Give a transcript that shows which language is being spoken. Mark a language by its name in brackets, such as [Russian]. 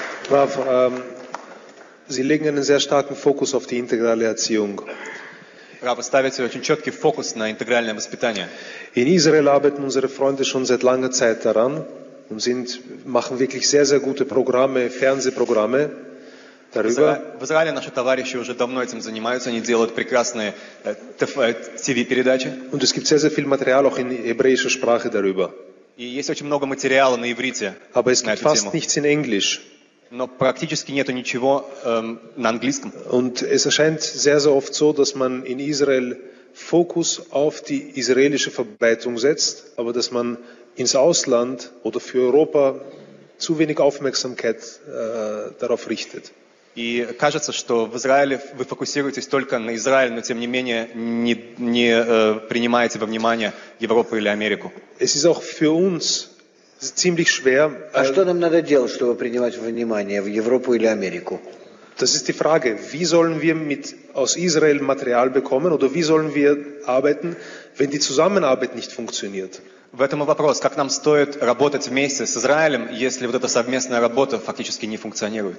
[German] Rav, Sie legen einen sehr starken Fokus auf die integrale Erziehung. Rav, Sie stellen einen sehr starken Fokus auf die integrale Erziehung. In Israel arbeiten unsere Freunde schon seit langer Zeit daran und machen wirklich sehr, sehr gute Programme, Fernsehprogramme darüber. [Russian] В Израиле наши товарищи уже давно этим занимаются, они делают прекрасные TV-передачи. [German] Und es gibt sehr, sehr viel Material auch in hebräischer Sprache darüber. [Russian] И есть очень много материала на иврите. [German] Aber es gibt fast nichts in Englisch. [Russian] Но практически нету ничего на английском. [German] Und es erscheint sehr, sehr oft so, dass man in Israel Fokus auf die israelische Verbreitung setzt, aber dass man ins Ausland oder für Europa zu wenig Aufmerksamkeit darauf richtet. [Russian] И кажется, что в Израиле вы фокусируетесь только на Израиль, но тем не менее не принимаете во внимание Европу или Америку. [German] Es ist auch für uns ziemlich schwer. [Russian] А что нам надо делать, чтобы принимать во внимание в Европу или Америку? [German] Das ist die Frage. Wie sollen wir mit aus Israel Material bekommen oder wie sollen wir arbeiten, wenn die Zusammenarbeit nicht funktioniert? [Russian] В этом и вопрос, как нам стоит работать вместе с Израилем, если вот эта совместная работа фактически не функционирует.